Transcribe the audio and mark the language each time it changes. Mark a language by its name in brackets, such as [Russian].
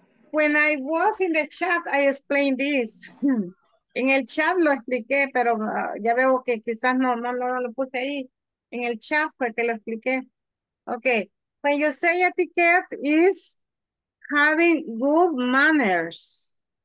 [English] When I was in the chat, I explained this. [Spanish] En el chat lo expliqué, pero ya veo que quizás no lo puse ahí. En el chat fue que lo expliqué. Okay. [English] When you say etiquette is having good manners.